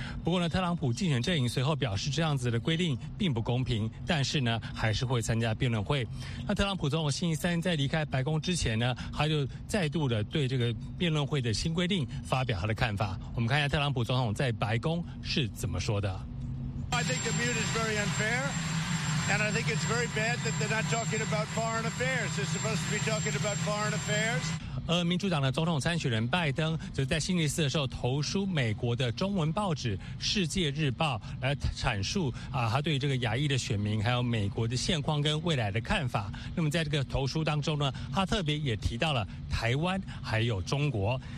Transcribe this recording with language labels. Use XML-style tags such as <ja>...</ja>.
<zh>不过呢，特朗普竞选阵营随后表示，这样子的规定并不公平，但是呢，还是会参加辩论会。那特朗普总统星期三在离开白宫之前呢，他就再度的对这个辩论会的新规定发表他的看法。我们看一下特朗普总统在白宫是怎么说的。</zh> <en>I think the mute is very unfair, and I think it's very bad that they're not talking about foreign affairs. They're supposed to be talking about foreign affairs.</en> <zh>而民主党的总统参选人拜登则在星期四的时候投书美国的中文报纸《世界日报》，来阐述他对这个亚裔的选民还有美国的现况跟未来的看法。那么在这个投书当中呢，他特别也提到了台湾还有中国。</zh>